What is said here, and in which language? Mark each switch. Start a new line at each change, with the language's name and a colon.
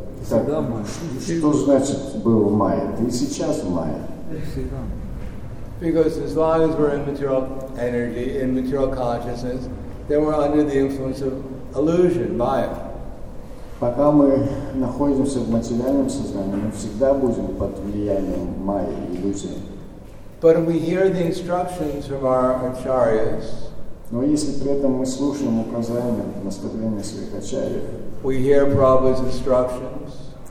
Russian: Так, что значит был в Майе? Ты сейчас в Майе.
English: Because as long as we're in material energy, in material consciousness, then we're under the influence of illusion, maya.
Russian: Пока мы находимся в материальном сознании, мы всегда будем под влиянием майи, иллюзии.
English: But if we hear the instructions from our acharyas,
Russian: но если при этом мы слушаем указания, наставления своих ачарьев,
English: we hear Prabhupada's instructions,